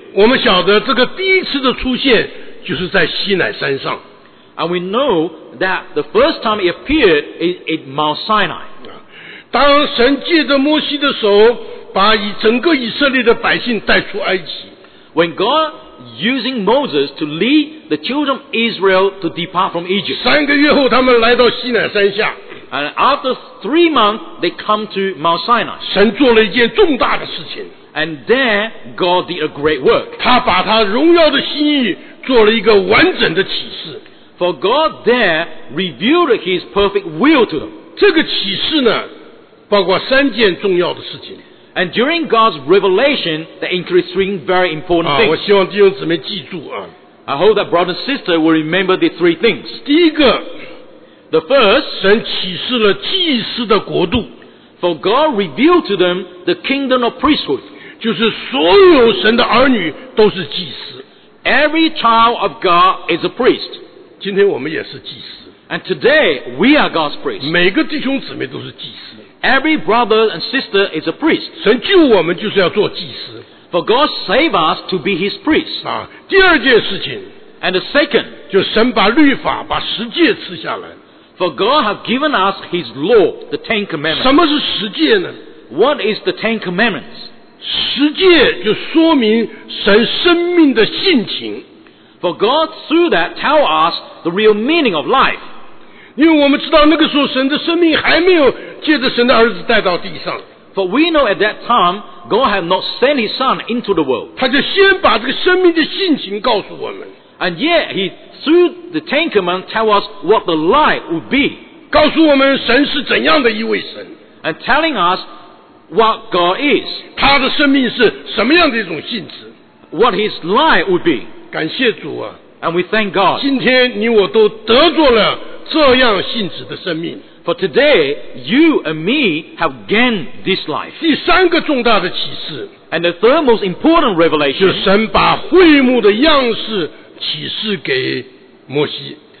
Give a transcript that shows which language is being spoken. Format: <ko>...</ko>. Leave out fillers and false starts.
<zh>我们晓得这个第一次的出现就是在西乃山上。</zh> <en>And we know that the first time it appeared is at Mount Sinai.</en> <zh>当神借着摩西的手把整个以色列的百姓带出埃及。</zh> <en>When God using Moses to lead the children of Israel to depart from Egypt.</en> <zh>三个月后他们来到西乃山下。</zh> <en>And after 3 months, they come to Mount Sinai.</en> <zh>神做了一件重大的事情。</zh> <en>And there, God did a great work.</en> <zh>他把他荣耀的心意做了一个完整的启示。</zh> <en>For God there revealed His perfect will to them.</en> <zh>这个启示呢，包括三件重要的事情。</zh> <en>And during God's revelation, that includes three very important things.</en> <zh>我希望弟兄姊妹记住啊。</zh> <en>I hope that brother and sister will remember the three things.</en> <zh>第一个</zh> <en>，The first,</en> <zh>神启示了祭司的国度。</zh> <en>For God revealed to them the kingdom of priesthood.</en> <zh>就是所有神的儿女都是祭司。</zh> <en>Every child of God is a priest.</en> <zh>今天我们也是祭司。</zh> <en>And today we are God's priest.</en> <zh>每个弟兄姊妹都是祭司。</zh> <en>Every brother and sister is a priest.</en> <zh>神救我们就是要做祭司。</zh> <en>For God save us to be His priest.</en> <zh>啊，第二件事情。</zh> <en>And the second,</en> <zh>就神把律法、把十诫赐下来。</zh> <en>For God have given us His law, the Ten Commandments.</en> <zh>什么是十诫呢</zh> <en>？What is the Ten Commandments?</en> <zh>十诫就说明神生命的性情。</zh> <en>For God through that tell us the real meaning of life.</en> <zh>因为我们知道那个时候神的生命还没有。借着神的儿子带到地上。</zh> <en>For we know at that time God had not sent His Son into the world.</en> <zh>他就先把这个生命的性情告诉我们。</zh> <en>And yet He through the Ten Commandments tell us what the life would be.</en> <zh>告诉我们神是怎样的一位神。</zh> <en>And telling us what God is.</en> <zh>他的生命是什么样的一种性质。</zh> <en>What His life would be.</en> <zh>感谢主啊。</zh> <en>And we thank God.</en> <zh>今天你我都得着了这样性质的生命。</zh> <en>For today, you and me have gained this life.</en> <zh>第三个重大的启示</zh> <en>And the third most important revelation.</en> <zh>就是神把会幕的样式启示给摩西</zh>